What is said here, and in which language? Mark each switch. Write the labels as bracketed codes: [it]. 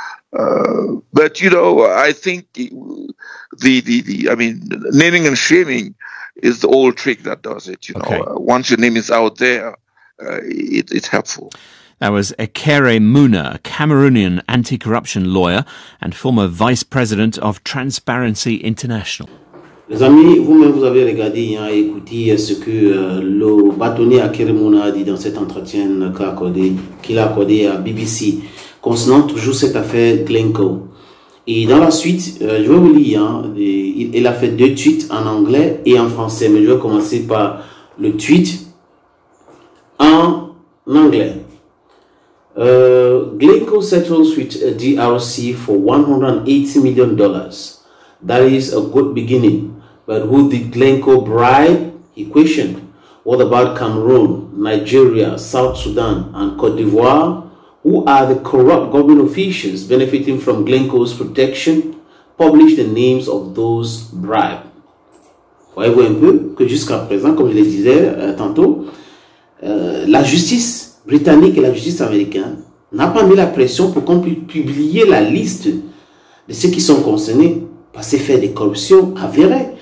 [en] But, you know, I think naming and shaming is the old trick that does it. You know, once your name is out there, it's helpful. That was Ekere Muna, a Cameroonian anti-corruption lawyer and former vice president of Transparency International. [fr] Les amis, vous-même, vous avez regardé et écouté ce que le bâtonnier Ekere Muna a dit dans cet entretien qu'il a accordé à BBC. Concernant toujours cette affaire Glencore. Et dans la suite, je vais vous lire, il a fait 2 tweets en anglais et en français, mais je vais commencer par le tweet en anglais. [en] Glencore settles with a DRC for $180 million. That is a good beginning. But who did Glencore bribe? He questioned. What about Cameroon, Nigeria, South Sudan, and Côte d'Ivoire? Who are the corrupt government officials benefiting from Glencore's protection? Publish the names of those bribed. [fr] Voyez-vous un peu que jusqu'à présent, comme je le disais tantôt, la justice britannique et la justice américaine n'a pas mis la pression pour qu'on puisse publier la liste de ceux qui sont concernés par ces faits de corruption avérés.